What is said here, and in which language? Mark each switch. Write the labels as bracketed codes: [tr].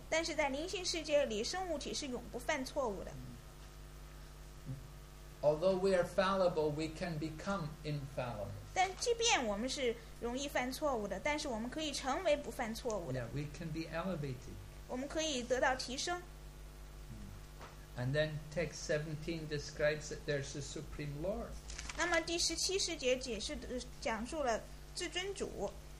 [zh] 但是在灵性世界里,生物体是永不犯错误的。 [en] Although we are fallible, we can become infallible. [zh] 但即便我们是容易犯错误的,但是我们可以成为不犯错误的。 [en] Yeah, we can be elevated. [zh] 我们可以得到提升。 [en] And then text 17 describes that there's a supreme Lord. [zh] 那么第十七世节解释的讲述了至尊主。